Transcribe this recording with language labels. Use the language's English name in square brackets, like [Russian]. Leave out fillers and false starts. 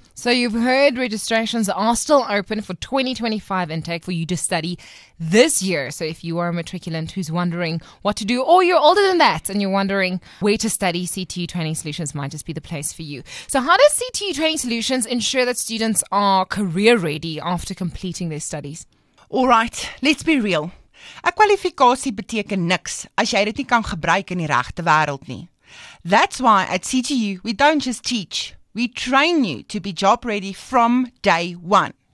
[English] So you've heard registrations are still open for 2025 intake for you to study this year. So if you are a matriculant who's wondering what to do, or you're older than that and you're wondering where to study, CTU Training Solutions might just be the place for you. So how does CTU Training Solutions ensure that students are career ready after completing their studies? All right, let's be real. [Afrikaans] 'N kwalifikasie beteken niks as jy dit nie kan gebruik in die regte wêreld nie. [English] That's why at CTU we don't just teach, we train you to be job ready from day one.